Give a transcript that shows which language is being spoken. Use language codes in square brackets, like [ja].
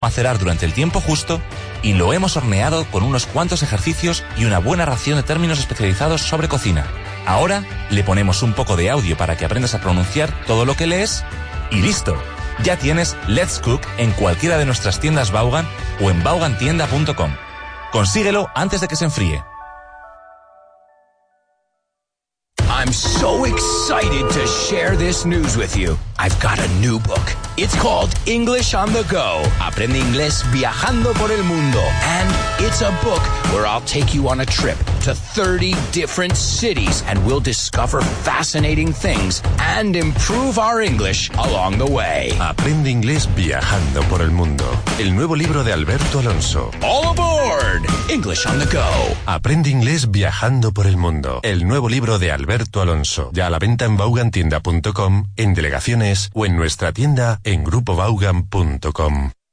[es] macerar durante el tiempo justo y lo hemos horneado con unos cuantos ejercicios y una buena ración de términos especializados sobre cocina. Ahora le ponemos un poco de audio para que aprendas a pronunciar todo lo que lees y listo. Ya tienes Let's Cook en cualquiera de nuestras tiendas Vaughan o en vaughantienda.com. Consíguelo antes de que se enfríe. [en] I'm so excited to share this news with you. I've got a new book. It's called English on the Go. [es] Aprende inglés viajando por el mundo. [en] And it's a book where I'll take you on a trip to 30 different cities and we'll discover fascinating things and improve our English along the way. [es] Aprende inglés viajando por el mundo. El nuevo libro de Alberto Alonso. [en] All aboard! English on the Go. [es] Aprende inglés viajando por el mundo. El nuevo libro de Alberto Alonso. Ya a la venta en vaughantienda.com, en delegaciones o en nuestra tienda en grupovaughan.com.